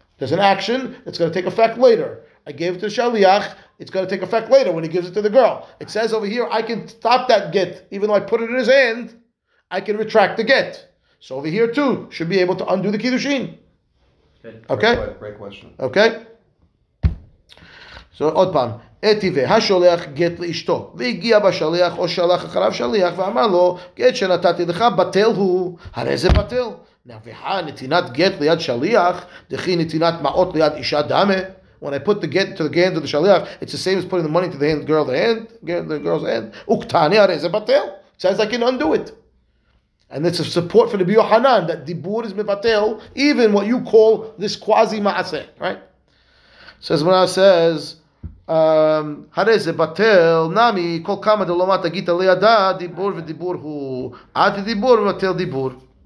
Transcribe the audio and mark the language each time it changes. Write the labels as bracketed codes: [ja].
[en] There's an action that's going to take effect later. I gave it to the shaliach. It's going to take effect later when he gives it to the girl. It says over here, I can stop that get. Even though I put it in his hand, I can retract the get. So over here too, should be able to undo the kiddushin. Okay? Great question. Okay? [he] So, עוד פעם, אתיבה, השולח גט לאשתו, והגיע בשליח, או שלח אחריו שליח, ואמר לו, גט שנתתי לך, בטל הוא, הרי זה בטל. [arc] והוא, נתינת גט ליד שליח, דכי נתינת מעות ליד אישה דמה. [en] When I put the get to the hand of the שליח, it's the same as putting the money to the girl's hand. [he] וקטני, הרי זה בטל. [en] It says I can undo it. And it's a support for the ביוחנן, that דיבור is מבטל, even what you call this quasi-מעשה, right? Says when I says, [arc] Hareze batel nami kol kama de lomata gita liada dibur v'dibur hu ati dibur v'tel dibur.